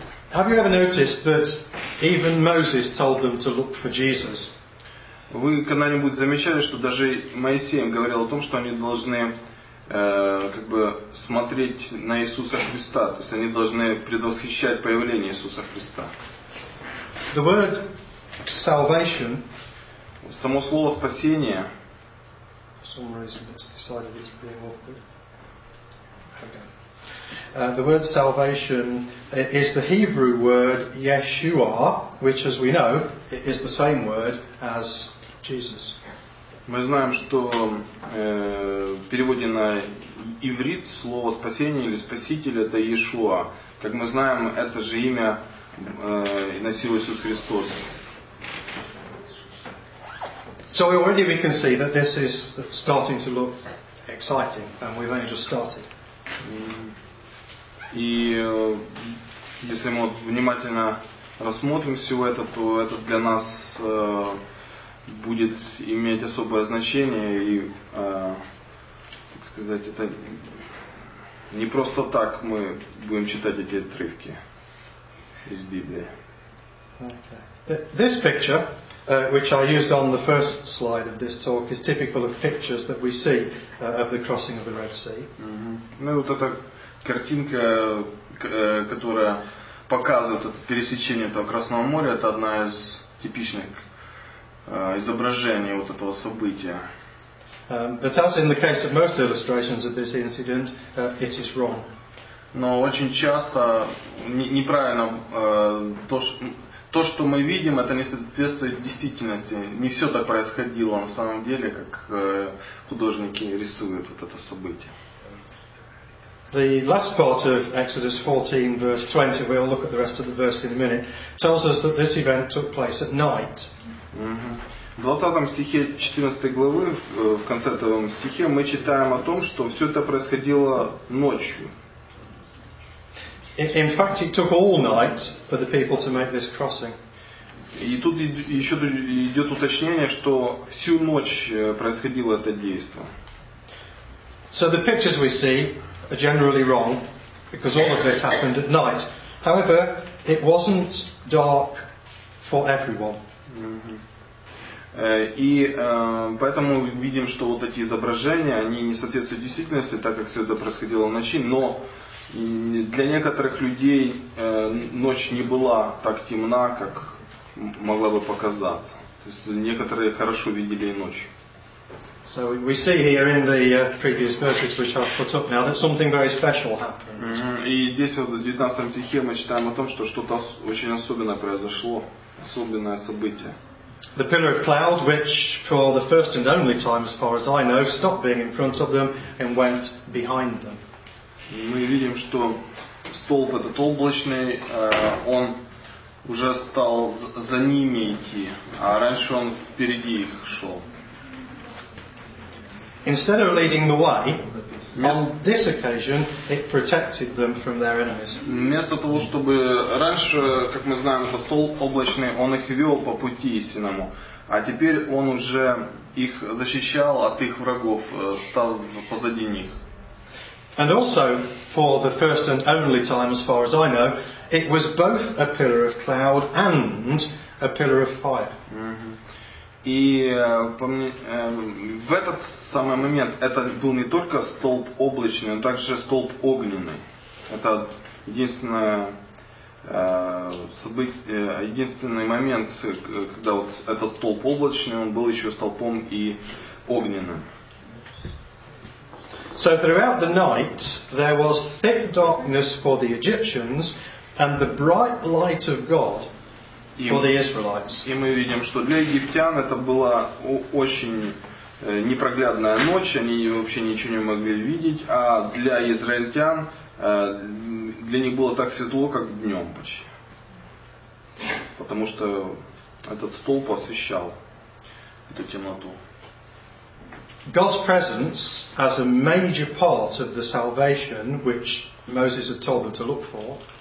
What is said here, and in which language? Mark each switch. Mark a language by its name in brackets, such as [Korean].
[English] Have you ever noticed that even Moses told them to look for Jesus? [Russian] Вы когда-нибудь замечали, что даже Моисей им говорил о том, что они должны как бы смотреть на Иисуса Христа, то есть они должны предвосхищать появление Иисуса Христа? [English] The word salvation. [Russian] Само слово спасение. [English] some reason it's decided it's being awkward. Okay. The word salvation is the Hebrew word Yeshua, which, as we know, is the same word as Jesus. [Russian] Мы знаем, что в переводе на иврит слово спасение или спаситель это Иешуа. Как мы знаем, это же имя носил Иисус Христос. [English] So already we can see that this is starting to look exciting, and we've only just started. [Russian] И если мы внимательно рассмотрим все это, то это для нас будет иметь особое значение и, так сказать, это не просто так мы будем читать эти отрывки из Библии. [English] Okay. This picture, which I used on the first slide of this talk, is typical of pictures that we see of the crossing of the Red Sea. [Russian] Ну вот эта картинка, которая показывает это пересечение этого Красного моря, это одна из типичных изображение вот этого события. [English] But as in the case of most illustrations of this incident, it is wrong. [Russian] Но очень часто неправильно то, что мы видим, это не соответствует действительности. Не все так происходило на самом деле, как художники рисуют вот это событие. [English] The last part of Exodus 14, verse 20, we'll look at the rest of the verse in a minute, tells us that this event took place at night. [Russian] В 20 стихе 14 главы, в конце этого стихе, мы читаем о том, что все это происходило ночью. [English] In fact, it took all night for the people to make this crossing. [Russian] И тут еще идет уточнение, что всю ночь происходило это действие. [English] So the pictures we see are generally wrong, because all of this happened at night. However, it wasn't dark for everyone. [Russian] И поэтому видим, что вот эти изображения, они не соответствуют действительности, так как все это происходило в ночи, но для некоторых людей ночь не была так темна, как могла бы показаться. То есть некоторые хорошо видели и ночь. [English] So we see here in the previous verses, which I've put up now, that something very special happened. [Russian] И здесь вот в 19 стихе мы читаем о том, что что-то очень особенное произошло, особенное событие. [English] The pillar of cloud, which for the first and only time, as far as I know, stopped being in front of them and went behind them. [Russian] Мы видим, что столб этот облачный, он уже стал за ними идти, а раньше он впереди их шел. [English] Instead of leading the way, on this occasion, it protected them from their enemies. [Russian] Вместо того, чтобы раньше, как мы знаем, этот столб облачный, он их вел по пути истинному, а теперь он уже их защищал от их врагов, стал позади них. [English] And also, for the first and only time, as far as I know, it was both a pillar of cloud and a pillar of fire. [Russian] И в этот самый момент это был не только столб облачный, но также столб огненный. Это единственный момент, когда вот этот столб облачный, он был еще столбом и огненным. [English] So throughout the night there was thick darkness for the Egyptians and the bright light of God. [Russian] И мы видим, что для египтян это была очень непроглядная ночь, они вообще ничего не могли видеть, а для израильтян, для них было так светло, как днем почти. Потому что этот столб освещал эту темноту. [English] God's presence as a major part of the salvation, which Moses had told them to look for.